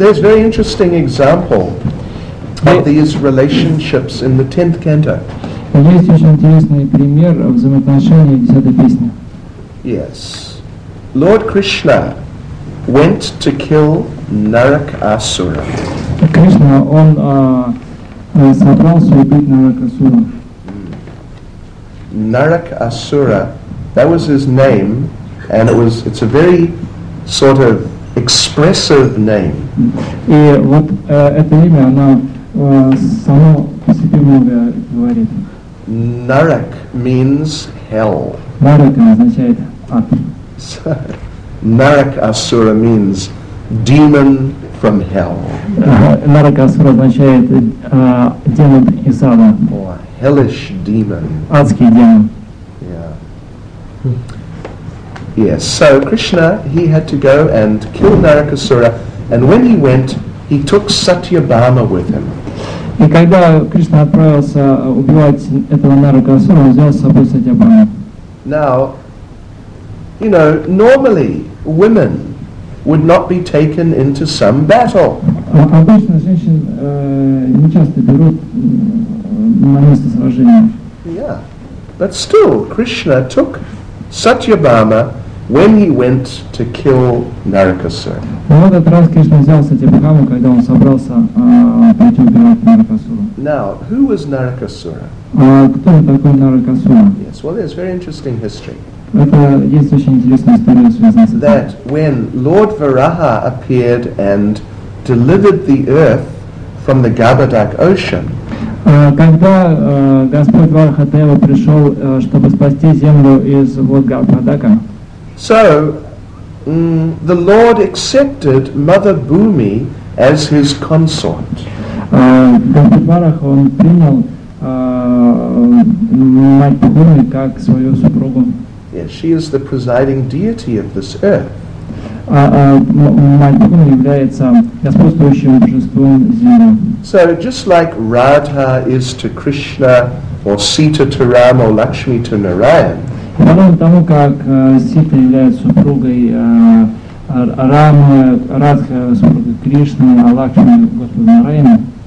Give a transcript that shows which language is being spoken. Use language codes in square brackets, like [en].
[en] There's a very interesting example of these relationships in the 10th canto. [ru] Есть очень интересный пример взаимоотношений в 10-й песне. [en] Yes. Lord Krishna went to kill Narakasura. [ru] Кришна, он собрался убить Наракасуру. [en] Narakasura, that was his name, and it's a very sort of expressive name. [ru] И вот это имя, оно само по себе много говорит. [en] Narak means hell. [ru] Narak означает ад. [en] Narakasura means demon from hell. [ru] Narakasura означает демон из ада. [en] Hellish demon. [ru] Адский демон. [en] Yeah. Yes, so Krishna, he had to go and kill Narakasura, and when he went, he took Satyabhama with him. [ru] И когда Кришна отправился убивать этого Наракасура, он взял с собой Сатьябхаму. [en] Now, you know, normally women would not be taken into some battle. [ru] Обычно женщин не часто берут на место сражения. [en] Yeah. But still, Krishna took Satyabhama when he went to kill Narakasura. [ru] Но в этот раз Кришна взял Сатьябхаму, когда он собрался пойти убивать Наракасуру. [en] Now, who was Narakasura? [ru] Кто такой Наракасура? [en] Yes, well, there's very interesting history. [ru] Это есть очень интересная история, связанная с этим. [en] That when Lord Varaha appeared and delivered the earth from the Gabardak ocean. [ru] Когда Господь Варахадева пришел, чтобы спасти землю из вод Гарпадака. [en] So, the Lord accepted Mother Bhumi as his consort. [ru] Господь Варах, он принял Мать Бхуми как свою супругу. [en] Yes, she is the presiding deity of this earth. [ru] Мать Бхуми является господствующим божеством земли. [en] So just like Radha is to Krishna, or Sita to Ram, or Lakshmi to Narayan. [ru] Подобно тому, как Сита является супругой Рамы, Радха супругой Кришны, а Лакшми Господа Нараяна.